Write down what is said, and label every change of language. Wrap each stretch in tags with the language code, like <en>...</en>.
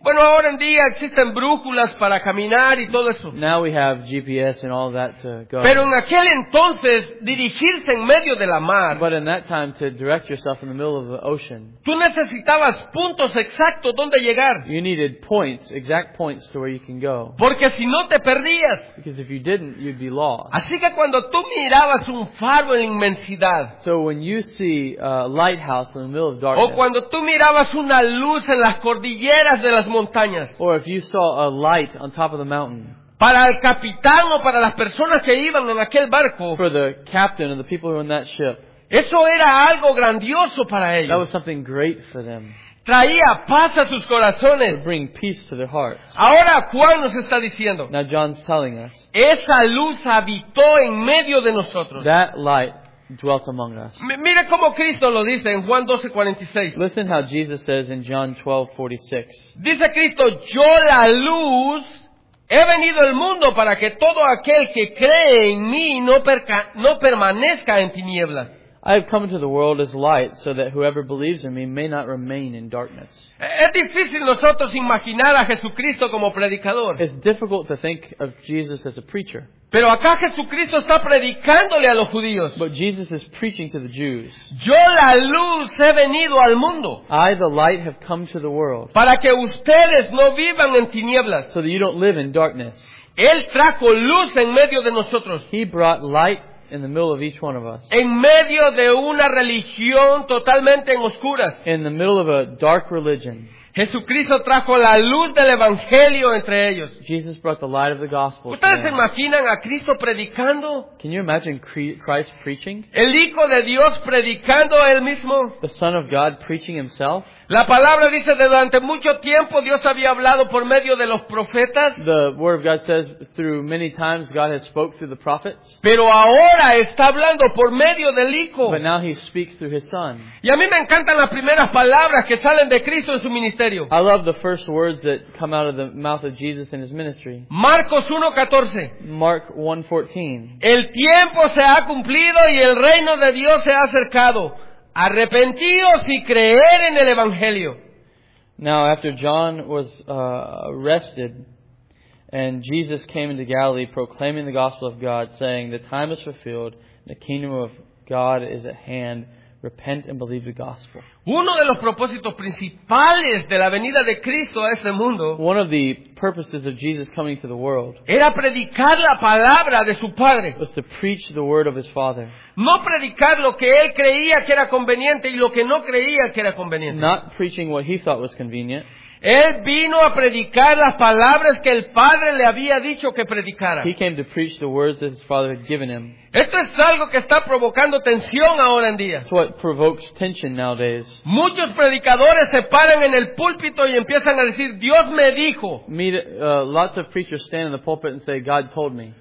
<es>Bueno, ahora en día existen brújulas para caminar y todo eso.</es> <en>Now we have GPS and all that to go.</en> <es>Pero en aquel entonces dirigirse en medio de la mar.</es> <en>But in that time to direct yourself in the middle of the ocean.</en> <es>Tú necesitabas puntos exactos donde llegar.</es> <en>You needed points, exact points to where you can go.</en> <es>Porque si no te perdías.</es> <en>Because if you didn't, you'd be lost.</en> <es>Así que cuando tú mirabas un faro en inmensidad.</es> <en>So when you see a lighthouse in the middle of darkness.</en> <es>O cuando tú mirabas una luz en las cordilleras de las montañas.</es> <en>Or if you saw a light on top of the mountain.</en> <es>Para el capitán o para las personas que iban en aquel barco.</es> <en>For the captain or the people who were in that ship.</en> <es>Eso era algo grandioso para ellos.</es> <en>That was something great for them.</en> <es>Traía paz a sus corazones.</es> <en>To bring peace to their hearts.</en> <es>Ahora Juan nos está diciendo.</es> <en>Now John's telling us.</en> <es>Esa luz habitó en medio de nosotros.</es> <en>That light dwelt among us.</en> <es>Mira cómo Cristo lo dice en Juan 12:46.</es> <en>Listen how Jesus says in John 12:46.</en> <es>Dice Cristo, yo la luz he venido al mundo para que todo aquel que cree en mí no permanezca en tinieblas.</es> <en>I have come into the world as light, so that whoever believes in me may not remain in darkness.</en> <es>Es difícil nosotros imaginar a Jesucristo como predicador.</es> <en>It's difficult to think of Jesus as a preacher.</en> <es>Pero acá Jesucristo está predicándole a los judíos.</es> <en>But Jesus is preaching to the Jews.</en> <es>Yo la luz he venido al mundo.</es> <en>I the light have come to the world.</en> <es>Para que ustedes no vivan en tinieblas.</es> <en>So that you don't live in darkness.</en> <es>Él trajo luz en medio de nosotros.</es> <en>He brought light in the middle of each one of us.</en> <es>En medio de una religión totalmente en oscuras.</es> <en>In the middle of a dark religion.</en> <es>Jesucristo trajo la luz del evangelio entre ellos.</es> <en>Jesus brought the light of the gospel.</en> <es>¿Ustedes se imaginan a Cristo predicando?</es> <en>Can you imagine Christ preaching?</en> <es>El Hijo de Dios predicando a él mismo.</es> <en>The Son of God preaching himself.</en> <es>La palabra dice que durante mucho tiempo Dios había hablado por medio de los profetas.</es> <en>The Word of God says through many times God has spoke through the prophets.</en> <es>Pero ahora está hablando por medio del Hijo.</es> <en>But now he speaks through his Son.</en> <es>Y a mí me encantan las primeras palabras que salen de Cristo en su ministerio.</es> <en>I love the first words that come out of the mouth of Jesus in his ministry.</en> <es>Marcos 1:14.</es> <en>Mark 1:14.</en> <es>El tiempo se ha cumplido y el reino de Dios se ha acercado. Arrepentíos y creer en el Evangelio.</es> <en>Now, after John was arrested, and Jesus came into Galilee proclaiming the gospel of God, saying, the time is fulfilled, the kingdom of God is at hand. Repent and believe the gospel.</en> <es>Uno de los propósitos principales de la venida de Cristo a este mundo.</es> <en>One of the purposes of Jesus coming to the world.</en> <es>Era predicar la palabra de su padre.</es> <en>Was to preach the word of his father.</en> <es>No predicar lo que él creía que era conveniente y lo que no creía que era conveniente.</es> <en>Not preaching what he thought was convenient.</en> <es>Él vino a predicar las palabras que el Padre le había dicho que predicara.</es> <en>He came to preach the words that his father had given him.</en> <es>Esto es algo que está provocando tensión ahora en día.</es> <en>It's what provokes tension nowadays.</en> <es>Muchos predicadores se paran en el púlpito y empiezan a decir, Dios me dijo.</es> <en>Lots of preachers stand in the pulpit and say, God told me.</en>